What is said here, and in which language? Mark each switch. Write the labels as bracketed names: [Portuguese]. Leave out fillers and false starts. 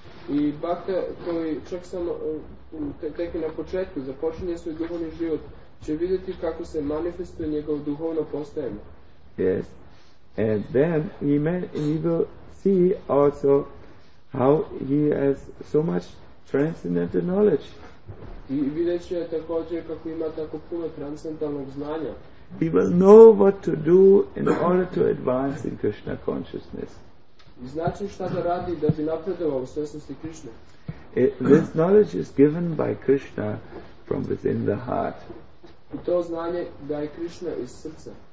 [Serbian] I bhakta koji čak samo tek na početku započinje svoj duhovni život će vidjeti kako se manifestuje njegovo duhovno postojanje. [English] Yes, and then he will see also how he has so much transcendental knowledge. [Serbian] I vidjet će također kako ima tako puno transcendentalnog znanja. [English] He will know what to do in order to advance in Krishna consciousness. [Serbian] Znači šta da radi da bi napredovao u svjesnosti Krishne. [English] This knowledge is given by Krishna from within the heart. [Serbian] I to znanje daje Krishna iz srca.